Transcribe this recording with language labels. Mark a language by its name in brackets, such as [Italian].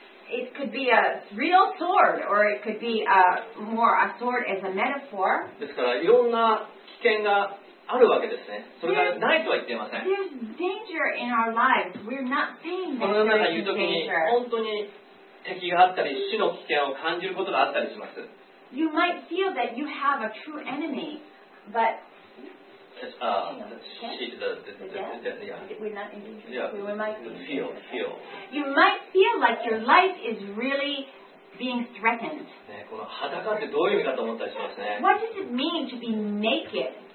[English] It could be a real sword, or it could be a, more a sword as a metaphor. [Japanese] ですから、いろんな危険があるわけですね。それがないとは言っていません。 [English] There's danger in our lives. We're not saying that danger. [Japanese] この中に言うときに、本当に敵があったり、死の危険を感じることがあったりします。 [English] You might feel that you have a true enemy, but... You might feel like your life is really being threatened. What does it mean to be naked?